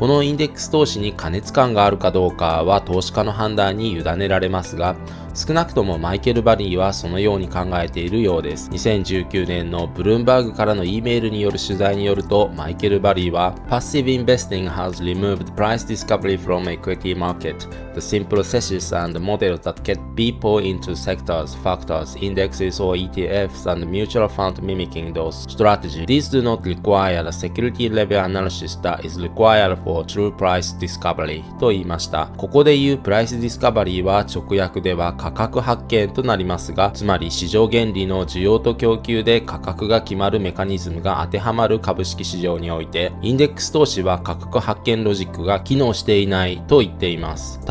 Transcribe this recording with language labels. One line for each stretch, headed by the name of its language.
Japanese: このインデックス投資に過熱感があるかどうかは投資家の判断に委ねられますが、少なくともマイケル・バリーはそのように考えているようです。 2019年のブルームバーグからの E メールによる取材によると、マイケル・バリーは
English: Passive investing has removed price discovery from equity market. The simple thesis and model that get people into sectors, factors, indexes or ETFs and mutual fund mimicking those strategies. These do not require a security level analysis that is required for true price discovery.
Japanese: と言いました。ここで言う Price discovery は直訳では価格発見となりますが、つまり市場原理の需要と供給で価格が決まるメカニズムが当てはまる株式市場において、インデックス投資は価格発見ロジックが機能していないと言っています。